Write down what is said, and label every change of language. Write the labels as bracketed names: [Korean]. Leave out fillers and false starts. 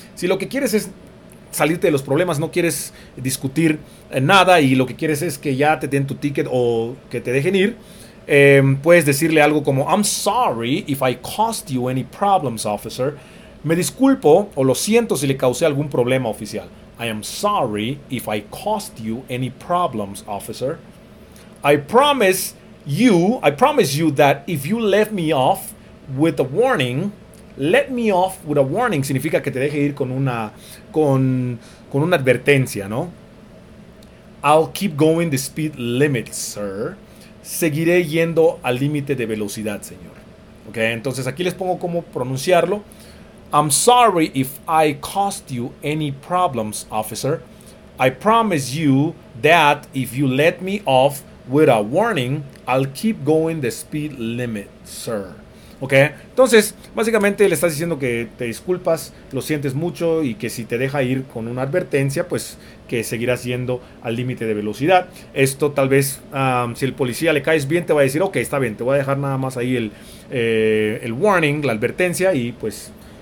[Spanish] Si lo que quieres es salirte de los problemas, no quieres discutir nada y lo que quieres es que ya te den tu ticket o que te dejen ir, puedes decirle algo como, [English] I'm sorry if I caused you any problems, officer. [Spanish] Me disculpo o lo siento si le causé algún problema, oficial. [English] I am sorry if I caused you any problems, officer. I promise you that if you left me off with a warning, let me off with a warning [Spanish] significa que te deje ir con una advertencia, ¿no? [English] I'll keep going the speed limit, sir. [Spanish] Seguiré yendo al límite de velocidad, señor. Okay, entonces aquí les pongo cómo pronunciarlo. [English] I'm sorry if I caused you any problems, officer. I promise you that if you let me off with a warning, I'll keep going the speed limit, sir. [Spanish] ¿Ok? Entonces, básicamente le estás diciendo que te disculpas, lo sientes mucho y que si te deja ir con una advertencia, pues que seguirás yendo al límite de velocidad. Esto tal vez, si el policía le caes bien, te va a decir, ok, está bien, te voy a dejar nada más ahí el warning, la advertencia y pues...